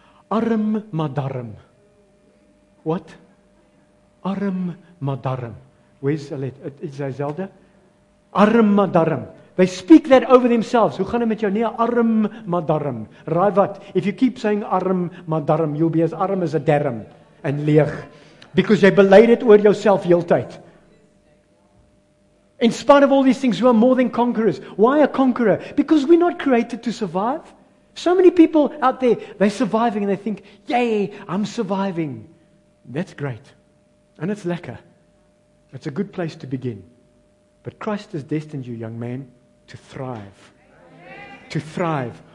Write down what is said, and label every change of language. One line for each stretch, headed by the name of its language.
Afrikaans: Arm madarm.
English: What? Arm madarm. Where's Aletta? Is that Zelda?
Afrikaans: Arm madarm.
English: They speak that over themselves.
Afrikaans: Hoe gaan dit met jou? Nee, arm madarm. Raai wat?
English: If you keep saying arm madarm, you'll be as arm as a darm
Afrikaans: en leeg. Because jy belei dit oor jouself heeltyd.
English: In spite of all these things, we are more than conquerors. Why a conqueror? Because we're not created to survive. So many people out there, they're surviving and they think, yay, I'm surviving. That's great. And it's lekker. It's a good place to begin. But Christ has destined you, young man, to thrive. To thrive.